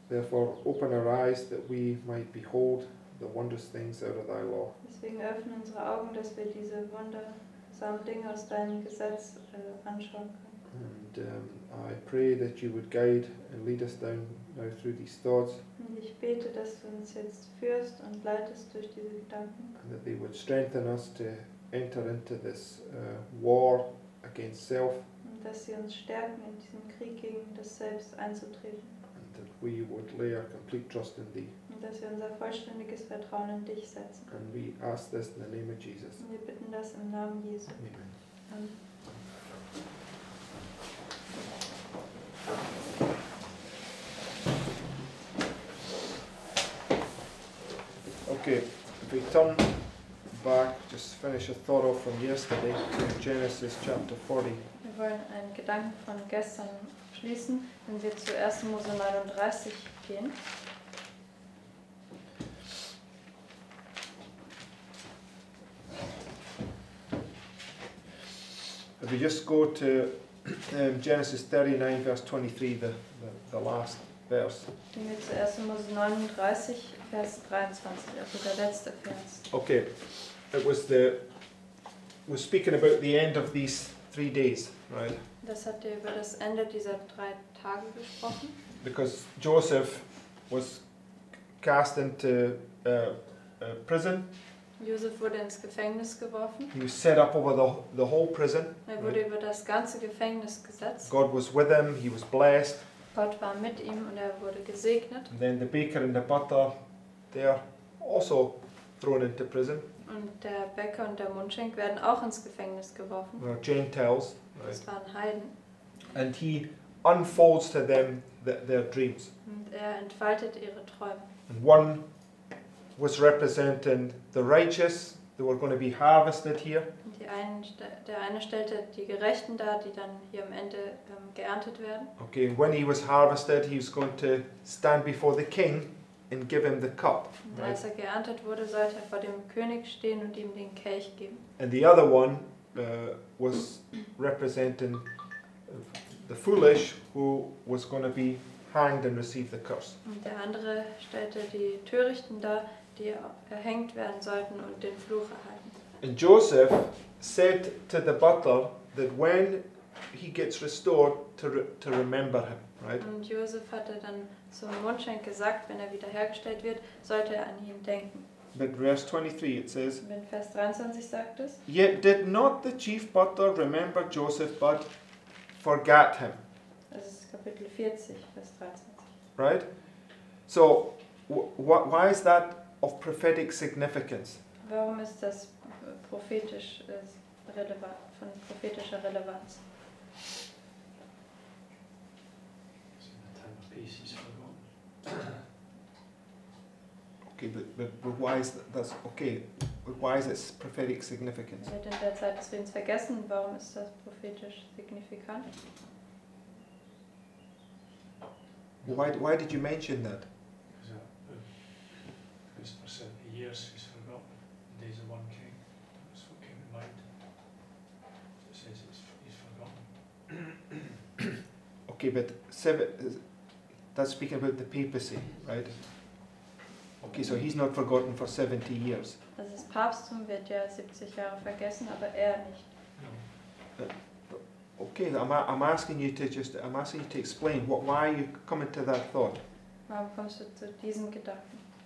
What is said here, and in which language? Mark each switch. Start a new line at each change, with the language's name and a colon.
English: Therefore, open our eyes that we might behold the wondrous things out of thy law.
German: Deswegen öffne unsere Augen, dass wir diese wundersamen Dinge aus deinem Gesetz anschauen können.
English: And I pray that you would guide and lead us down now through these thoughts.
German: Und ich bete, dass du uns jetzt führst und leitest durch diese Gedanken.
English: And that they would strengthen us to enter into this war against self.
German: Und dass sie uns stärken, in diesen Krieg gegen das Selbst einzutreten.
English: That we would lay our complete trust in thee.
German: Und dass wir unser vollständiges Vertrauen in dich setzen.
English: And we ask this in the name of Jesus.
German: Und wir bitten das im Namen Jesu. Amen. Amen.
English: Okay, if we turn back, just finish a thought off from yesterday to Genesis chapter 40.
German: Wir wollen einen Gedanken von gestern schließen, wenn wir zu 1. Mose 39 gehen.
English: If we just go to Genesis 39, verse 23, the last verse.
German: Gehen wir zu 1. Mose 39, Vers 23, also der letzte Vers.
English: Okay, it was we're speaking about the end of these 3 days, right?
German: Das hat er über das Ende dieser 3 Tage gesprochen.
English: Because Joseph was cast into prison.
German: Joseph wurde ins Gefängnis geworfen.
English: He was set up over the whole prison.
German: Er wurde über das ganze Gefängnis gesetzt.
English: God was with him. He was blessed.
German: Gott war mit ihm und er wurde gesegnet.
English: And then the baker and the butler, they are also thrown into prison.
German: Und der Bäcker und der Mundschenk werden auch ins Gefängnis geworfen.
English: Well, Gentiles. Right.
German: Das waren Heiden.
English: And he unfolds to them their dreams.
German: Und er entfaltet ihre Träume.
English: And one was representing the righteous that were going to be harvested here.
German: Der eine stellte die Gerechten dar, die dann hier am Ende geerntet werden.
English: Okay, and when he was harvested, he was going to stand before the king and give him the cup.
German: Und als er geerntet wurde, sollte er vor dem König stehen und ihm den Kelch geben.
English: And the other one was representing the foolish who was going to be hanged and receive the curse.
German: Und der andere stellte die Törichten dar, die erhängt werden sollten und den Fluch erhalten.
English: And Joseph said to the butler that when he gets restored to remember him, right?
German: Und Joseph hatte dann zum Mundschenk gesagt, wenn er wiederhergestellt wird, sollte er an ihn denken.
English: But verse 23 it says,
German: in Vers 23 sagt es,
English: yet did not the chief butler remember Joseph, but forgot him.
German: Das ist Kapitel 40, Vers 23.
English: Right? So, why is that of prophetic significance?
German: Warum ist das prophetisch relevant, von prophetischer Relevanz?
English: It's in the time of peace, he's forgotten. Okay, but why is that's okay? But why is its prophetic significance?
German: Wird in der Zeit des Friedens vergessen. Warum ist das prophetisch signifikant?
English: Why did you mention that? Because for 70 years he's forgotten. Days of one king. That's what came to mind. So it says he's forgotten. Okay, but that's speaking about the papacy, right? Okay, so he's not forgotten for 70 years.
German: Also das Papsttum wird ja 70 Jahre vergessen, aber er nicht.
English: Okay, I'm asking you to explain what, why are you coming to that thought?
German: Warum kommst du zu diesem Gedanken?